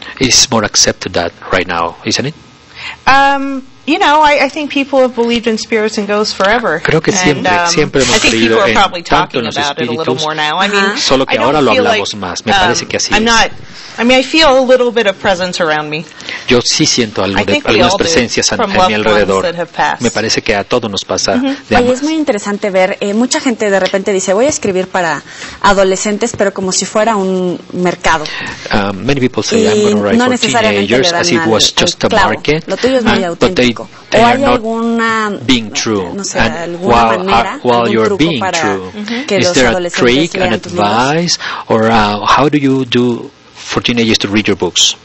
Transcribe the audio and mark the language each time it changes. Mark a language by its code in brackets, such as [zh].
[en] It's more accepted that right now, isn't it? You know, I think people have believed in spirits and ghosts forever. [es] Creo que siempre, siempre hemos creído en tanto en los espíritus. Solo que ahora lo hablamos más. Me parece que así es. [en] I feel a little bit of presence around me. [es] Yo sí siento algunas presencias a mi alrededor. Me parece que a todos nos pasa. Y es muy interesante ver, mucha gente de repente dice, voy a escribir para adolescentes, pero como si fuera un mercado. [en] Many people say, I'm going to write for teenagers, as it was just a market. [es] Lo tuyo es muy auténtico. [en] They are not being true. [es] No sé, [en] while you are being true, is there a trick, an advice, or how do you do for teenagers to read your books?